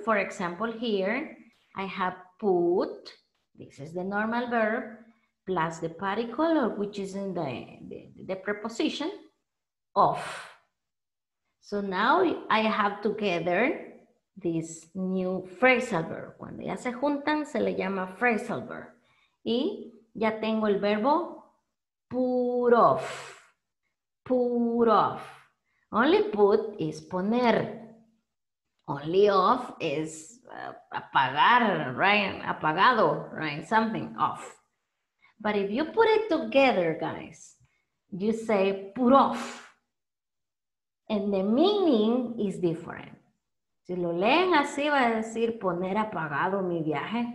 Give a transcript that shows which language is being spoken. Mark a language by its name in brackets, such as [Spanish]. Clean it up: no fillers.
[English] For example, here I have put, this is the normal verb, plus the particle, which is in the preposition, of. So now I have together this new phrasal verb. [Spanish] Cuando ya se juntan, se le llama phrasal verb. Y ya tengo el verbo put off. [English] Put off. Only put is poner. Only off is apagar, right? Apagado, right? Something off. But if you put it together, guys, you say put off. And the meaning is different. [Spanish] Si lo leen así, va a decir poner apagado mi viaje.